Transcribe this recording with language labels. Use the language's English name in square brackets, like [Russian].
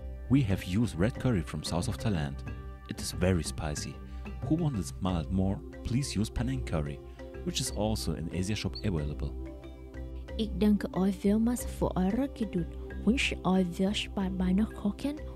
[English] We have used red curry from south of Thailand. It is very spicy. Who wants it mild more, please use Penang Curry, which is also in Asia-Shop available. [German] Ich danke euch vielmals für eure Geduld, wünsche euch viel Spaß bei noch kochen.